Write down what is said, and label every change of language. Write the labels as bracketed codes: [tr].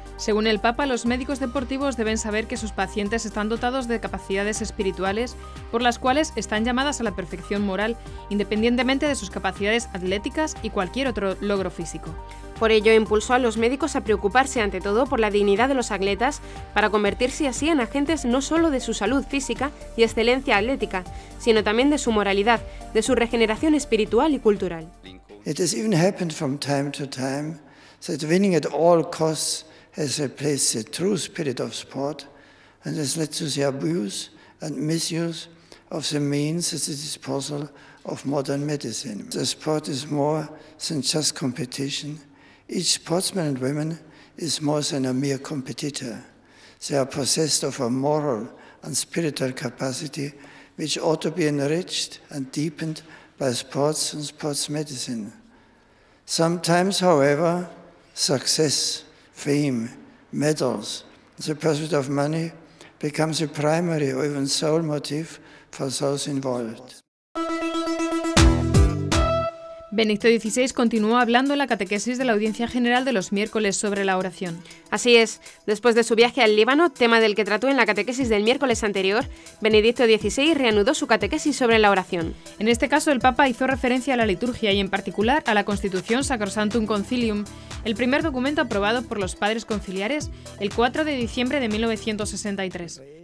[es] Según el Papa, los médicos deportivos deben saber que sus pacientes están dotados de capacidades espirituales por las cuales están llamadas a la perfección moral, independientemente de sus capacidades atléticas y cualquier otro logro físico. Por ello, impulsó a los médicos a preocuparse ante todo por la dignidad de los atletas para convertirse así en agentes no solo de su salud física y excelencia atlética, sino también de su moralidad, de su regeneración espiritual y cultural. [en] It has even happened from time to time that winning at all costs has replaced the true spirit of sport and has led to the abuse and misuse of the means at the disposal of modern medicine. The sport is more than just competition. Each sportsman and woman is more than a mere competitor. They are possessed of a moral and spiritual capacity which ought to be enriched and deepened by sports and sports medicine. Sometimes, however, success, fame, medals, the pursuit of money becomes the primary or even sole motive for those involved. [es] Benedicto XVI continuó hablando en la catequesis de la Audiencia General de los miércoles sobre la oración. Así es, después de su viaje al Líbano, tema del que trató en la catequesis del miércoles anterior, Benedicto XVI reanudó su catequesis sobre la oración. En este caso, el Papa hizo referencia a la liturgia y, en particular, a la Constitución Sacrosanctum Concilium, el primer documento aprobado por los padres conciliares el 4 de diciembre de 1963.